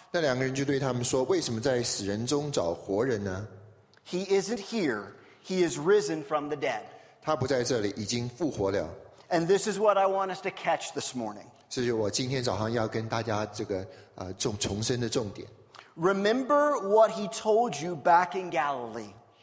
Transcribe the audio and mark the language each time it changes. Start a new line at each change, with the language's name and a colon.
Chinese: 那两个人就对他们说，为什么在死人中找活人呢
English: ？He isn't here. He is risen from the dead.
Chinese: 他不在这里，已经复活了。
English: And this is what I want us to catch this morning.
Chinese: 这是我今天早上要跟大家这个重申的重点。
English: Remember what he told you back in Galilee.